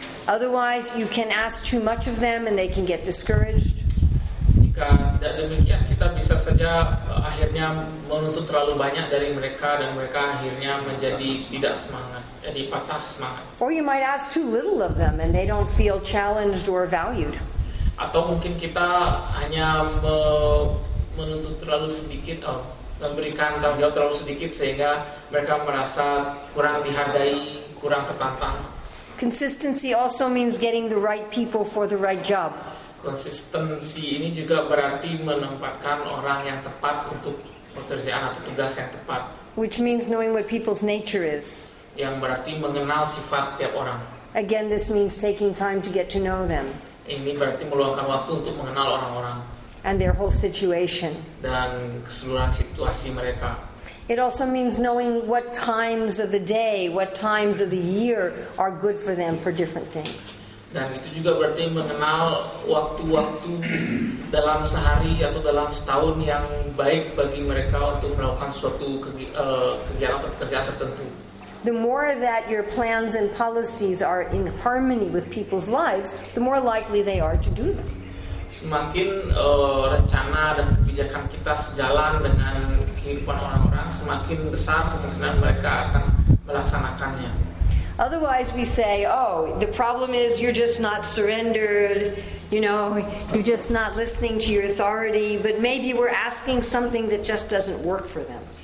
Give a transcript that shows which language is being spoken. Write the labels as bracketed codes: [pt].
[en] Otherwise, you can ask too much of them and they can get discouraged. [id] Jika tidak demikian, kita bisa saja akhirnya akhirnya menuntut terlalu banyak dari mereka dan mereka akhirnya menjadi tidak semangat, jadi patah semangat. [en] Or you might ask too little of them and they don't feel challenged or valued. [id] Atau mungkin kita hanya menuntut terlalu sedikit, memberikan tanggung jawab terlalu sedikit sehingga mereka merasa kurang dihargai, kurang tertantang. [en] Consistency also means getting the right people for the right job. [id] Konsistensi ini juga berarti menempatkan orang yang tepat untuk pekerjaan atau tugas yang tepat. [en] Which means knowing what people's nature is. [id] Yang berarti mengenal sifat tiap orang. [en] Again, this means taking time to get to know them. [id] Ini berarti meluangkan waktu untuk mengenal orang-orang. [en] And their whole situation. [id] Dan keseluruhan situasi mereka. [en] It also means knowing what times of the day, what times of the year are good for them for different things. [id] Dan itu juga berarti mengenal waktu-waktu dalam sehari atau dalam setahun yang baik bagi mereka untuk melakukan suatu kegiatan atau pekerjaan tertentu. [en] The more that your plans and policies are in harmony with people's lives, the more likely they are to do them. [id] Semakin rencana dan kebijakan kita sejalan dengan kehidupan orang-orang, semakin besar kemungkinan mereka akan melaksanakannya. [en] Otherwise we say, oh, the problem is you're just not surrendered, you know, you're just not listening to your authority, but maybe we're asking something that just doesn't work for them.